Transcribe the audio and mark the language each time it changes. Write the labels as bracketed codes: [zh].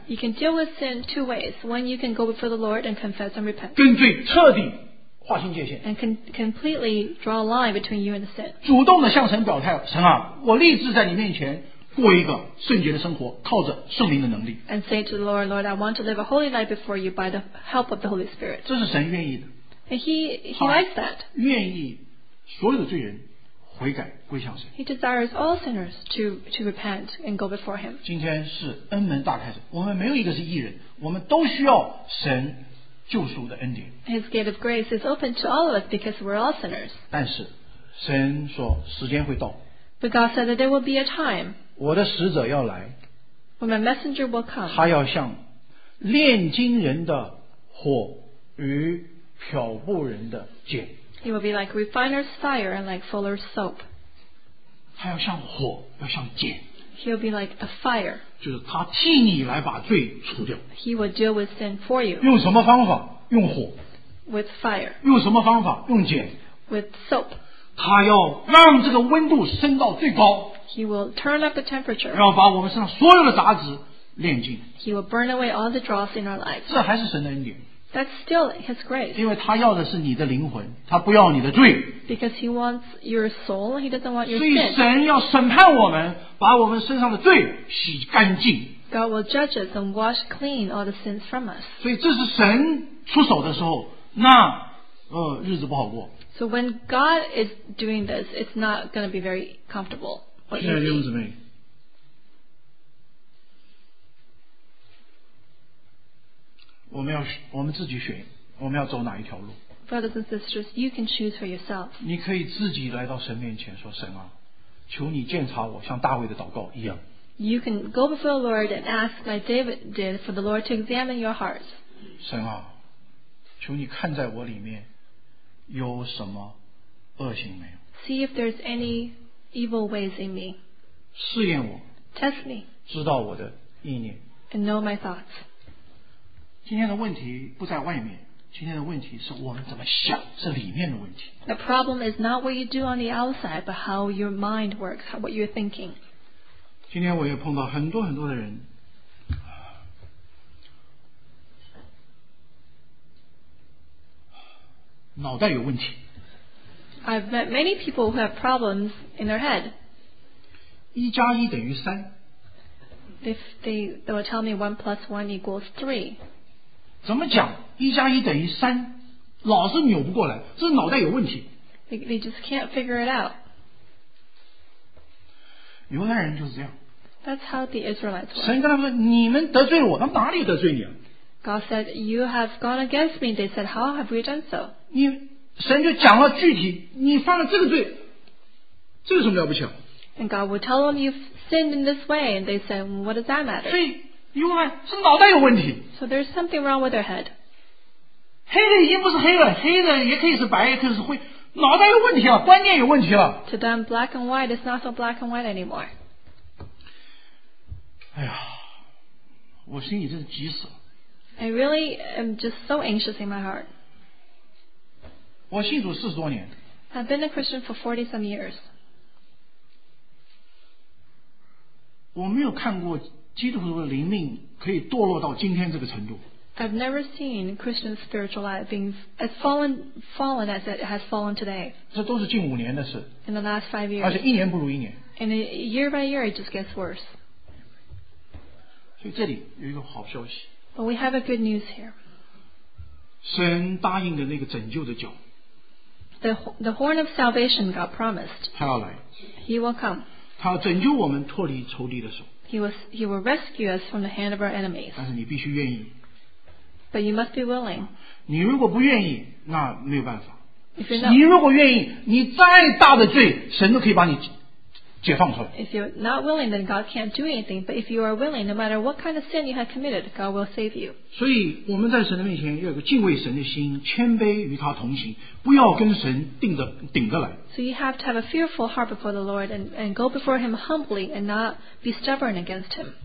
[en] You can deal with sin two ways. One, you can go before the Lord and confess and repent. [zh] 跟罪彻底划清界限。 [en] And completely draw a line between you and the sin. [zh] 主动的向神表态，神啊，我立志在你面前过一个圣洁的生活，靠着圣灵的能力。 [en] And say to the Lord, Lord, I want to live a holy life before you by the help of the Holy Spirit. [zh] 这是神愿意的。 [en] And he likes that. [zh] 愿意所有的罪人悔改归向神。 [en] He desires all sinners to repent and go before him. [zh] 今天是恩门大开始，我们没有一个是义人，我们都需要神救赎的恩典。 [en] His gate of grace is open to all of us because we're all sinners. [zh] 但是神说时间会到。 [en] But God said that there will be a time. [zh] 我的使者要来。 [en] When my messenger will come. [zh] 他要像炼金人的火与漂布人的剑。 [en] He will be like refiner's fire and like fuller's soap. [zh] 他要像火，要像剑。 [en] He'll be like a fire. [zh] 就是他替你来把罪除掉。 [en] He will deal with sin for you. [zh] 用什么方法？用火。 [en] With fire. [zh] 用什么方法？用剑。 [en] With soap. [zh] 他要让这个温度升到最高。 [en] He will turn up the temperature. [zh] 要把我们身上所有的杂质炼尽。 [en] He will burn away all the dross in our lives. [zh] 这还是神的恩典。 [en] That's still his grace. [zh] 因为他要的是你的灵魂，他不要你的罪。 [en] Because he wants your soul, he doesn't want your sin. [zh] 所以神要审判我们，把我们身上的罪洗干净。 [en] God will judge us and wash clean all the sins from us. [zh] 所以这是神出手的时候，那日子不好过。 [en] So when God is doing this, it's not going to be very comfortable. [zh] 亲爱的弟兄姊妹，我们自己选，我们要走哪一条路。 [en] Brothers and sisters, you can choose for yourself. [zh] 你可以自己来到神面前说，神啊，求你鉴察我，像大卫的祷告一样。 [en] You can go before the Lord and ask like David did for the Lord to examine your heart. [zh] 神啊，求你看在我里面有什么恶行没有。 [en] See if there's any evil ways in me. [zh] 试验我。 [en] Test me. [zh] 知道我的意念。 [en] And know my thoughts. [zh] 今天的问题不在外面，今天的问题是我们怎么想，是里面的问题。 [en] The problem is not what you do on the outside, but how your mind works, what you're thinking. [zh] 今天我也碰到很多很多的人，脑袋有问题。 [en] I've met many people who have problems in their head. [zh] 一加一等于三。 [en] If they will tell me 1+1=3. [zh] 怎么讲一加一等于三，老是扭不过来，这是脑袋有问题。 [en] They just can't figure it out. [zh] 犹太人就是这样。 [en] That's how the Israelites were. [zh] 神跟他们说，你们得罪我，他们哪里得罪你啊？ [en] God said, you have gone against me. They said, how have we done so? [zh] 你神就讲了具体，你犯了这个罪，这有什么了不起啊？ [en] And God would tell them, you've sinned in this way. And they said, what does that matter? [zh] 所以因为是脑袋有问题。 [en] So there's something wrong with their head. [zh] 黑的已经不是黑了，黑的也可以是白，也可以是灰，脑袋有问题了，观念有问题了。 [en] To them, black and white is not so black and white anymore. [zh] 哎呀，我心里真是急死了。 [en] I really am just so anxious in my heart. [zh] 我信主四十多年。 [en] I've been a Christian for 40 some years. [zh] 我没有看过基督徒的灵命可以堕落到今天这个程度。 [en] I've never seen Christian spiritual life being as fallen as it has fallen today. [zh] 这都是近五年的事。 [en] In the last 5 years. [zh] 而且一年不如一年。 [en] And year by year, it just gets worse. [zh] 所以这里有一个好消息。 [en] But we have a good news here. [zh] 神答应的那个拯救的脚。 [en] The horn of salvation got promised. [zh] 他要来。 [en] He will come. [zh] 他要拯救我们脱离仇敌的手。 [en] He will rescue us from the hand of our enemies. [zh] 但是你必须愿意。 [en] But you must be willing. [zh] 你如果不愿意，那没有办法。 [en] If you're not, [zh] 你如果愿意，你再大的罪，神都可以把你解放出来。 [en] If you're not willing, then God can't do anything. But if you are willing, no matter what kind of sin you have committed, God will save you. [zh] 所以我们在神的面前要有个敬畏神的心，谦卑与他同行，不要跟神顶着来。 [en] So you have to have a fearful heart before the Lord and go before him humbly and not be stubborn against him.